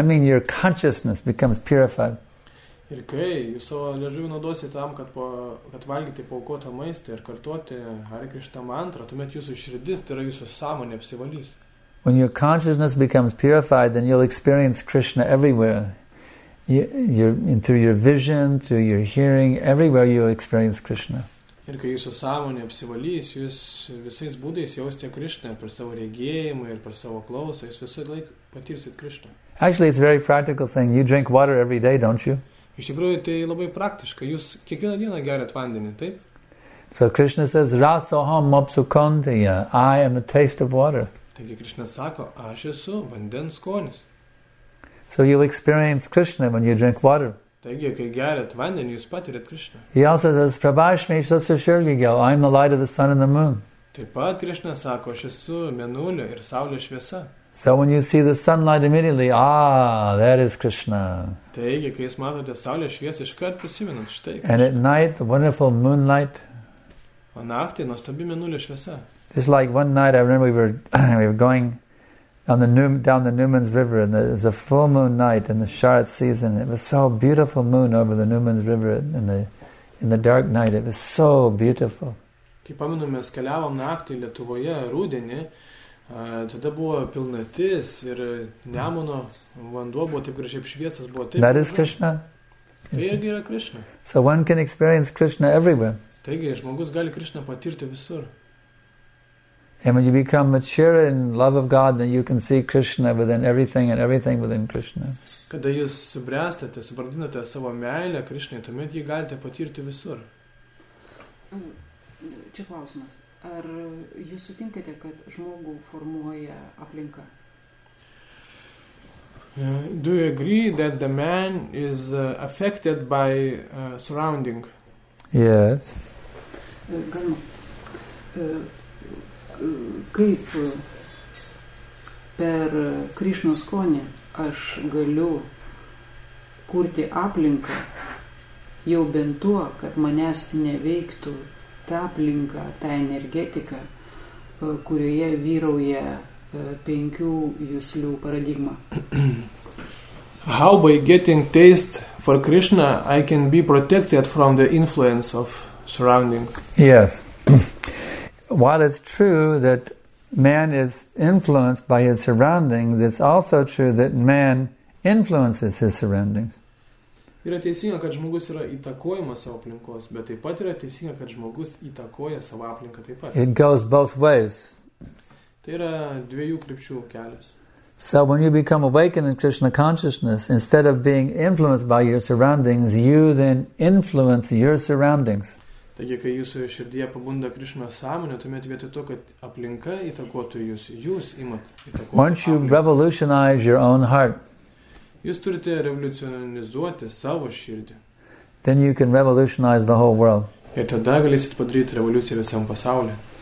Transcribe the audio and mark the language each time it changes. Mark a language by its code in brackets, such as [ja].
[en] I mean your consciousness becomes purified. [lt] Ir kai jūs savo liežuviu naudosite tam, kad valgyti paukoto maistą ir kartuoti Hare Krishna mantrą, tuomet jūsų širdis, tai yra jūsų sąmonė, apsivalys. [en] When your consciousness becomes purified, then you'll experience Krishna everywhere. Through your vision, through your hearing, everywhere you experience Krishna. [lt] Ir kai jūsų sąmonė apsivalys, jūs visais būdais jausite Krishna per savo regėjimą ir per savo klausą, jūs visą laiką patirsit Krishna. [en] Actually, it's a very practical thing. You drink water every day, don't you? [lt] Iš tikrųjų, tai labai praktiška. Jūs kiekvieną dieną geriat vandenį, taip? [en] So Krishna says, [sa] Rasoham Mapsukondiya, [en] I am the taste of water. [lt] Taigi Krishna sako, aš esu vandens skonis. [en] So you experience Krishna when you drink water. [lt] Taigi, kai geriat vandenį, jūs patiriat Krishna. [en] He also says, [sa] Prabhashmi, Sasashirgigel, [en] I am the light of the sun and the moon. [lt] Taip pat Krishna sako, aš esu mėnulio ir saulės šviesa. [en] So when you see the sunlight immediately, that is Krishna. [lt] Taigi, kai jūs matote saulės šviesą, iš kart prisiminant, štai Krishna. [en] And at night, the wonderful moonlight. [lt] O naktį, nuostabi mėnulio šviesa. [en] Just like one night, I remember we were going down the Newman's River, and it was a full moon night in the Sharad season. It was so beautiful moon over the Newman's River in the dark night. It was so beautiful. [lt] Kaip pamenu, mes keliavom naktį Lietuvoje rudenį, tada buvo pilnatis ir Nemuno vanduo buvo taip gražiai apšviestas. [en] That is Krishna. [lt] Irgi yra Krishna. [en] So one can experience Krishna everywhere. [lt] Taigi, žmogus gali Krishna patirti visur. [en] And when you become mature in love of God, then you can see Krishna within everything and everything within Krishna. [lt] Kada jūs subręstate, subrandinate savo meilę Krishnai, tuomet jį galite patirti visur. Čia klausimas. Ar jūs sutinkate, kad žmogų formuoja aplinka? [en] Do you agree that the man is affected by surrounding? Yes. [lt] Galima. Kaip per Krishnos skonį aš galiu kurti aplinką jau bent tuo, kad manęs neveiktų ta aplinka, ta energetika, kurioje vyrauja penkių juslių paradigma. [en] How by getting taste for Krishna I can be protected from the influence of surrounding? Yes. While it's true that man is influenced by his surroundings, it's also true that man influences his surroundings. [lt] Yra teisinga, kad žmogus yra įtakojamas savo aplinkos, bet taip pat yra teisinga, kad žmogus įtakoja savo aplinką taip pat. [en] It goes both ways. [lt] Tai yra dviejų krypčių kelias. [en] So when you become awakened in Krishna consciousness, instead of being influenced by your surroundings, you then influence your surroundings. [lt] Taigi, kai jūsų širdyje pabunda Krishna sąmonė, tuomet vietoj to, kad aplinka įtakotų jūs, jūs imat įtakotų [en] Once you revolutionize your own heart, [lt] jūs turite revoliucionizuoti savo širdį. [en] Then you can revolutionize the whole world. [lt] Ir tada galėsit padaryti revoliuciją visam pasaulyje.